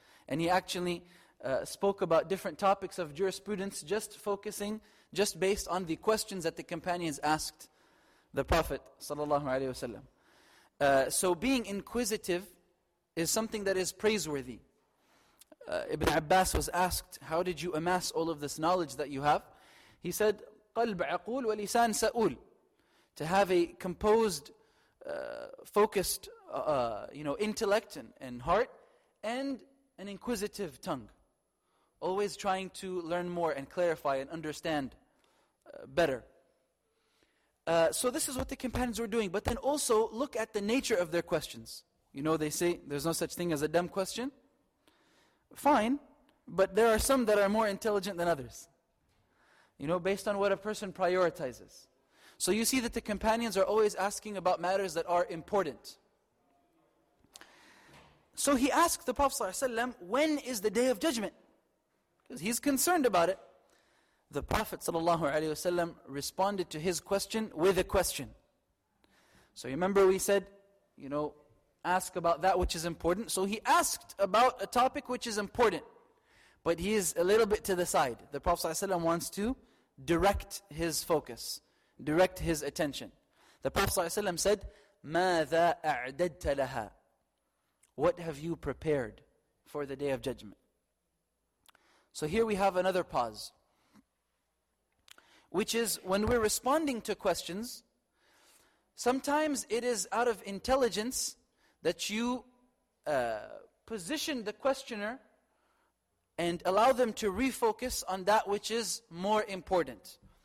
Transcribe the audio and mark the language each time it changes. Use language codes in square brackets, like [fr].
[en] And he actually spoke about different topics of jurisprudence, just focusing, just based on the questions that the companions asked the Prophet sallallahu alaihi wasallam. So being inquisitive is something that is praiseworthy. Ibn Abbas was asked, how did you amass all of this knowledge that you have? He said, [ar] قَلْبْ عَقُولْ وَلِسَانْ سَأُولْ. [en] To have a composed, focused, intellect and heart, and an inquisitive tongue. Always trying to learn more and clarify and understand better. So this is what the companions were doing. But then also look at the nature of their questions. You know, they say there's no such thing as a dumb question. Fine, but there are some that are more intelligent than others. You know, based on what a person prioritizes. So you see that the companions are always asking about matters that are important. So he asked the Prophet ﷺ, when is the Day of Judgment? Because he's concerned about it. The Prophet ﷺ responded to his question with a question. So you remember we said, you know, ask about that which is important. So he asked about a topic which is important. But he is a little bit to the side. The Prophet ﷺ wants to direct his focus. Direct his attention. The Prophet ﷺ said, [ar] مَاذَا أَعْدَدْتَ لَهَا. [en] What have you prepared for the Day of Judgment? So here we have another pause. Which is, when we're responding to questions, sometimes it is out of intelligence that you position the questioner and allow them to refocus on that which is more important.